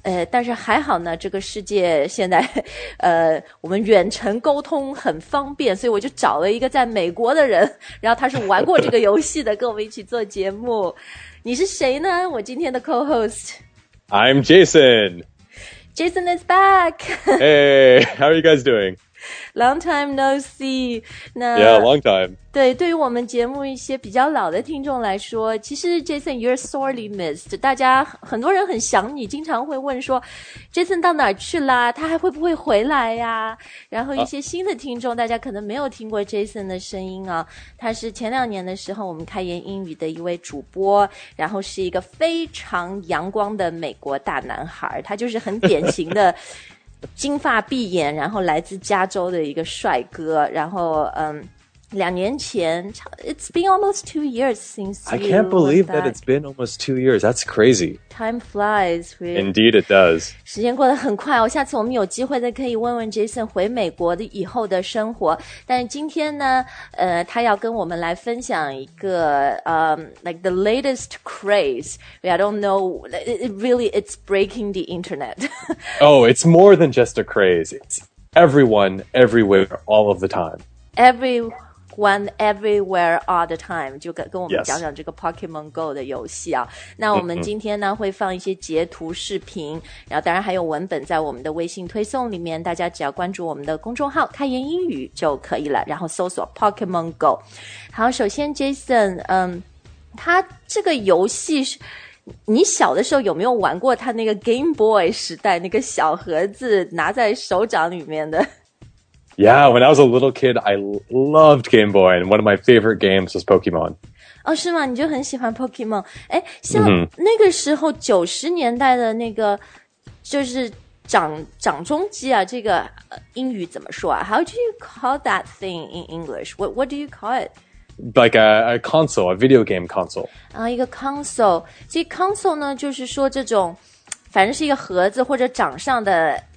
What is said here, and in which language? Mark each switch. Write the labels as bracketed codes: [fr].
[zh] 但是还好呢，这个世界现在我们远程沟通很方便，所以我就找了一个在美国的人，然后他是玩过这个游戏的，跟我们一起做节目。你是谁呢？我今天的 co-host。 [en] I'm Jason. Jason is back. Hey, how are you guys doing? Long time no see. Yeah, long time. [zh] 对，对于我们节目一些比较老的听众来说，其实 Jason, [en] you're sorely missed. [zh] 大家很多人很想你，经常会问说 Jason 到哪去啦，他还会不会回来呀。然后一些新的听众，大家可能没有听过 Jason 的声音啊。他是前两年的时候我们开言英语的一位主播，然后是一个非常阳光的美国大男孩，他就是很典型的金发碧眼，然后来自加州的一个帅哥。然后两年前 [en] It's been almost 2 years since you I can't believe that it's been almost 2 years. That's crazy. Time flies. Indeed it does. [zh] 时间过得很快哦。下次我们有机会再可以问问 Jason 回美国的以后的生活。但今天呢他要跟我们来分享一个 [en] like the latest craze. I don't know. It's breaking the internet. Oh, it's more than just a craze. It's everyone, everywhere, all of the time. Everyone, everywhere, all the time. [zh] 就跟我们讲讲这个 Pokemon Go 的游戏啊。那我们今天呢会放一些截图视频，然后当然还有文本在我们的微信推送里面，大家只要关注我们的公众号开言英语就可以了，然后搜索 Pokemon Go。好，首先 Jason 他这个游戏是你小的时候有没有玩过？他那个 Game Boy 时代那个小盒子拿在手掌里面的。 [en] Yeah, when I was a little kid, I loved Game Boy, and one of my favorite games was Pokemon. [zh] Oh, 是吗？你就很喜欢 Pokemon. 诶，像那个时候90年代的那个，就是掌中机啊，这个英语怎么说啊？ [en] How do you call that thing in English? What do you call it? Like a console, a video game console. [zh] 啊，一个 console. 所以 console 呢，就是说这种，反正是一个盒子或者掌上的。